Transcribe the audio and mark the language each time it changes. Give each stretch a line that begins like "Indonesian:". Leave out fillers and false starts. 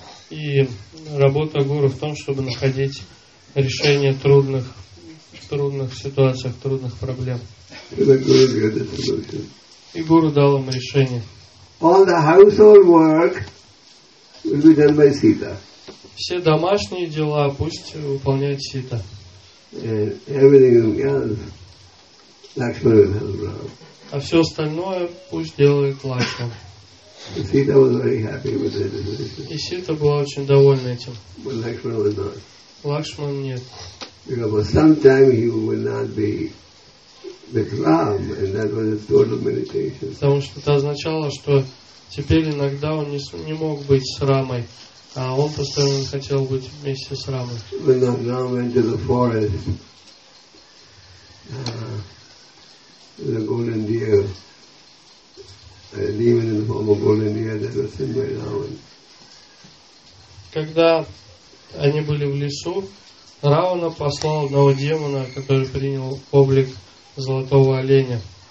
Russian: И работа гуру в том, чтобы находить решение трудных ситуациях, трудных проблем. И гуру дал им решение.
English: All the household work will be done by Sita.
Russian: Все домашние дела пусть выполняет Сита.
English: Everything else, Lakshmana will help Ram.
Russian: А все остальное пусть делает Лакшман.
English: Sita was very happy with the decision.
Russian: И Сита была очень довольна этим.
English: But Lakshmana was not.
Russian: Лакшман нет.
English: Because sometimes he will not be. With Ram, and that was a total meditation.
Russian: Потому что это означало, что теперь иногда он не мог быть с Рамой, а он постоянно хотел быть вместе с Рамой.
English: When Ram went to the forest, the golden deer, a demon in the form of golden deer that was sent by Ravan.
Russian: Когда они были в лесу, Равана послал одного демона, который принял облик золотого оленя.